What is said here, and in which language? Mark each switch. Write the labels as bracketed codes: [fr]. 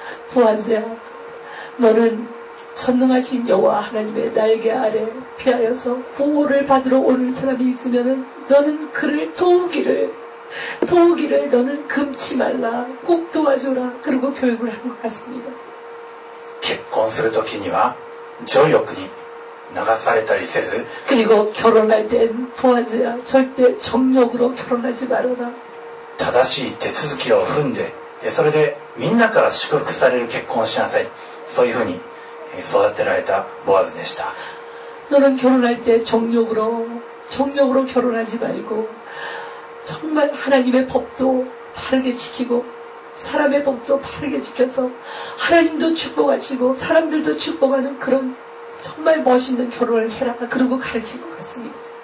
[ko] 보아스야너는전능하신여호와하나님의날개아래피하여서보호를받으러오는사람이있으면은너는그를도우기를도우기를너는금치말라꼭도와줘라그리고교육을한것같습니다 결혼할때는정욕에나가 [ja] されたりせず [ko] 그리고결혼할땐보아즈야절대정욕으로결혼하지말아라 [ja] 正しい手続きを踏んでそれでみんなから祝福される結婚をしなさいそういうふうに育てられたボアズでした。 [ko] 너는결혼할때정욕으로정욕으로결혼하지말고정말하나님의법도바르게지키고사람의법도바르게지켜서하나님도축복하시고사람들도축복하는그런정말멋있는결혼을해라그러고가르친것같습니다